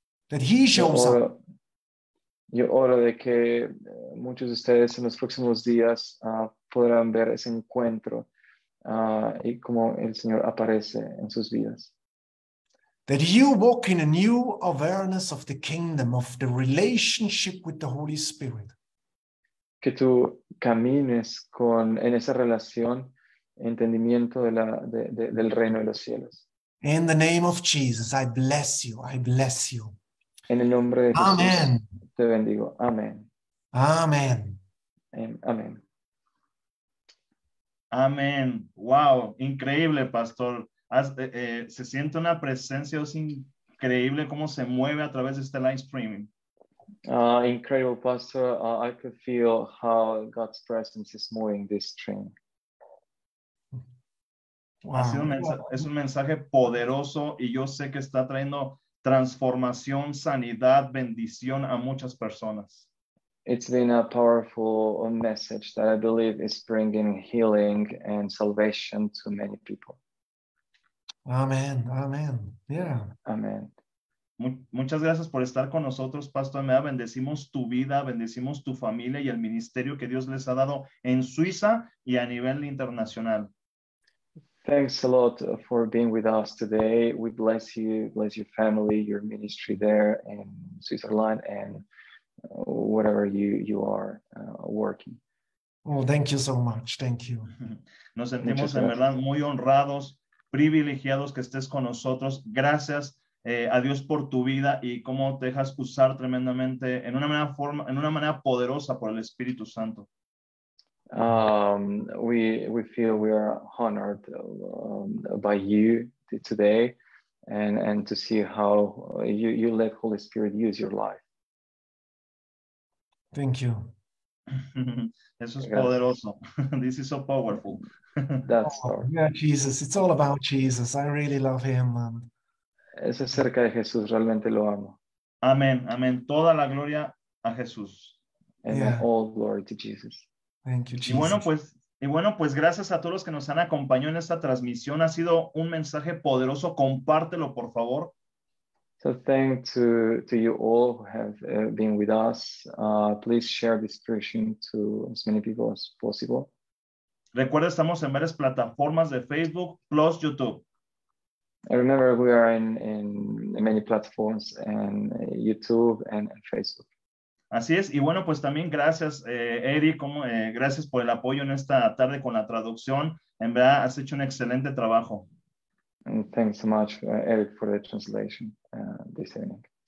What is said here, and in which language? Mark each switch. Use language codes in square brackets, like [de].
[en] That he shows up. [es] Yo oro de que muchos de ustedes en los próximos días podrán ver ese encuentro y cómo el Señor aparece en sus vidas. [en] That you walk in a new awareness of the kingdom, of the relationship with the Holy Spirit. [es] Que tú camines con, en esa relación, entendimiento de la, del reino de los cielos. [en] In the name of Jesus, I bless you. I bless you. [es] En el nombre de Amen. Jesús, te bendigo. Amén. Amén. Amén. Amén. Wow, increíble, pastor. Se siente una presencia, es increíble cómo se mueve a través de este live streaming. [en] Incredible, pastor. I could feel how God's presence is moving this stream. Wow. [es] Es un mensaje poderoso y yo sé que está trayendo transformación, sanidad, bendición a muchas personas. [en] It's been a powerful message that I believe is bringing healing and salvation to many people. Amen. Amen. Yeah. Amen. [es] Muchas gracias por estar con nosotros, Pastor Mea. Bendecimos tu vida, bendecimos tu familia y el ministerio que Dios les ha dado en Suiza y a nivel internacional. [en] Thanks a lot for being with us today. We bless you, bless your family, your ministry there in Switzerland and whatever you are working. Well, thank you so much. Thank you. [es] Nos sentimos en verdad muy honrados, privilegiados que estés con nosotros. Gracias a Dios por tu vida y cómo te dejas usar tremendamente en una manera poderosa por el Espíritu Santo. [en] We feel we are honored by you today and to see how you let Holy Spirit use your life. Thank you. [es] Eso es poderoso. [en] This is so powerful. That's powerful. Yeah, Jesus. It's all about Jesus. I really love him. [es] Es acerca de Jesús. Realmente lo amo. Amen. Amen. Toda la gloria a Jesús. [en] And yeah. All glory to Jesus. Thank you, Jesus. [es] Y bueno, pues gracias a todos los que nos han acompañado en esta transmisión. Ha sido un mensaje poderoso. Compártelo, por favor. [en] So thank to you all who have been with us. Please share this preaching to as many people as possible. [es] Recuerda, estamos en varias plataformas de Facebook plus YouTube. [en] I remember we are in many platforms and YouTube and Facebook. [es] Así es, y bueno, pues también gracias, Eric, gracias por el apoyo en esta tarde con la traducción. En verdad, has hecho un excelente trabajo. [en] And thanks so much, Eric, for the translation this evening.